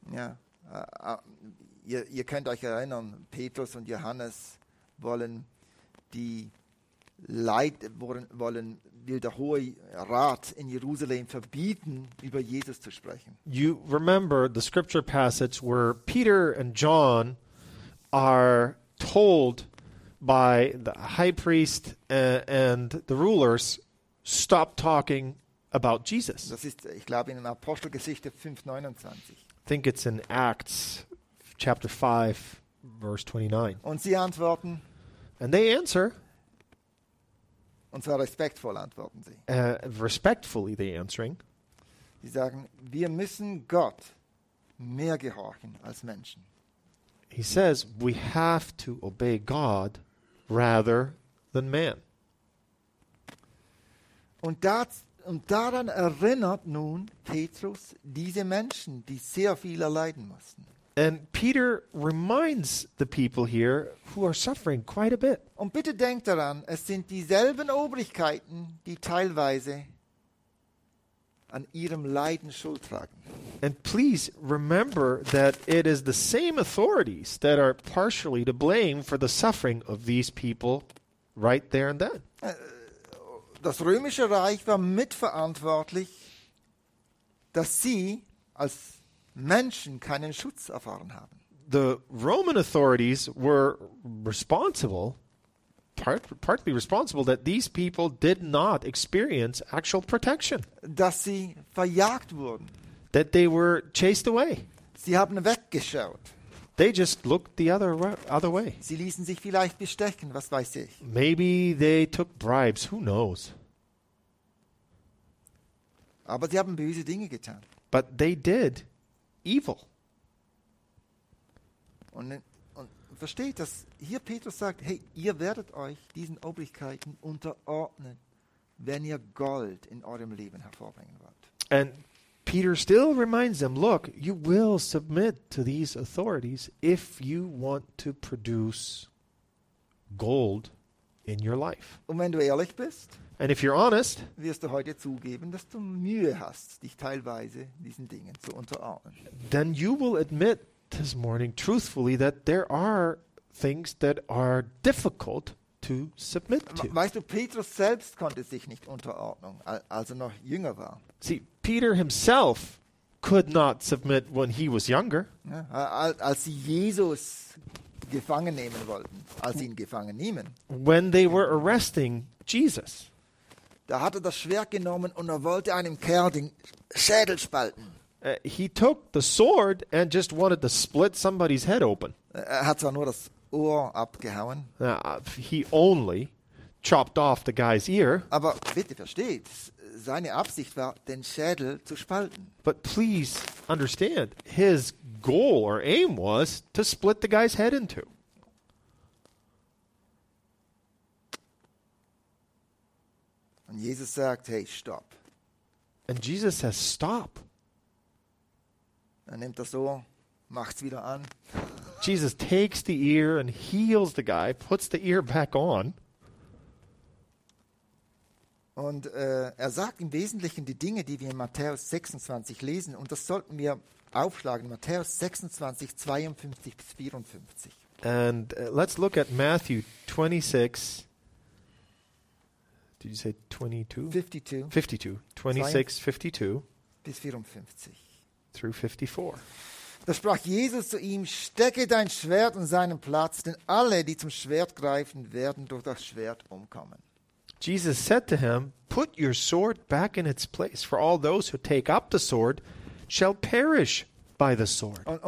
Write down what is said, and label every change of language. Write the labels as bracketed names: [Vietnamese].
[German] Ja, ihr könnt euch erinnern, Petrus und Johannes will der Hohe Rat in Jerusalem verbieten, über Jesus zu sprechen. [English] You remember the scripture passage where Peter and John are told by the high priest and the rulers, stop talking about Jesus. [German] Das ist, ich glaube, in Apostelgeschichte 5:29. [English] I think it's in Acts chapter 5, verse 29. [German] Und sie antworten. [English] And they answer. [German] Und zwar respektvoll antworten sie. [English] Respectfully they answering. [German] Sie sagen, wir müssen Gott mehr gehorchen als Menschen. [English] He says, we have to obey God rather than man. [German] Und daran erinnert nun Petrus diese Menschen, die sehr viel erleiden mussten. [English] And Peter reminds the people here who are suffering quite a bit. [German] Und bitte denkt daran, es sind dieselben Obrigkeiten, die teilweise an ihrem Leiden Schuld tragen. [English] And please remember that it is the same authorities that are partially to blame for the suffering of these people right there and then. [German] Das Römische Reich war mitverantwortlich, dass sie als Menschen keinen Schutz erfahren haben. [English] The Roman authorities were responsible, partly responsible, that these people did not experience actual protection. [German] Dass sie verjagt wurden. [English] That they were chased away. [German] Sie haben weggeschaut. [English] They just looked the other way. [German] Sie ließen sich vielleicht bestechen, was weiß ich. [English] Maybe they took bribes, who knows. [German] Aber sie haben böse Dinge getan. [English] But they did evil. [German] Und versteht, dass hier Petrus sagt, hey, ihr werdet euch diesen Obrigkeiten unterordnen, wenn ihr Gold in eurem Leben hervorbringen wollt. [English] And Peter still reminds them, look, you will submit to these authorities if you want to produce gold in your life. [German] Und wenn du ehrlich bist, [English] and if you're honest, [German] wirst du heute zugeben, dass du Mühe hast, dich teilweise diesen Dingen zu unterordnen. [English] Then you will admit this morning truthfully that there are things that are difficult to submit to. [German] Weißt du, Petrus selbst konnte sich nicht unterordnen, als er noch jünger war. [English] See, Peter himself could not submit when he was younger. [German] Ja, als sie Jesus gefangen nehmen wollten, als sie ihn gefangen nehmen. [English] When they were arresting Jesus. [German] Da hat er das Schwert genommen und er wollte einem Kerl den Schädel spalten. [English] He took the sword and just wanted to split somebody's head open. [German] Er hat zwar nur das Ohr abgehauen. [English] He only chopped off the guy's ear. [German] Aber bitte versteht, seine Absicht war, den Schädel zu spalten. [English] But please understand, his goal or aim was to split the guy's head in two. [German] Und Jesus sagt, hey, stopp. [English] And Jesus says, stop. [German] Er nimmt das Ohr, macht's wieder an. [English] Jesus takes the ear and heals the guy, puts the ear back on. [German] Und er sagt im Wesentlichen die Dinge, die wir in Matthäus 26 lesen. Und das sollten wir aufschlagen. Matthäus 26, 52 bis 54. [English] And let's look at Matthew 26. Did you say 22? 52. 26, 52. [German] Bis 54. [English] Through 54. [German] Da sprach Jesus zu ihm, stecke dein Schwert in seinen Platz, denn alle, die zum Schwert greifen, werden durch das Schwert umkommen. [English] Jesus said to him, put your sword back in its place, for all those who take up the sword shall perish by the sword.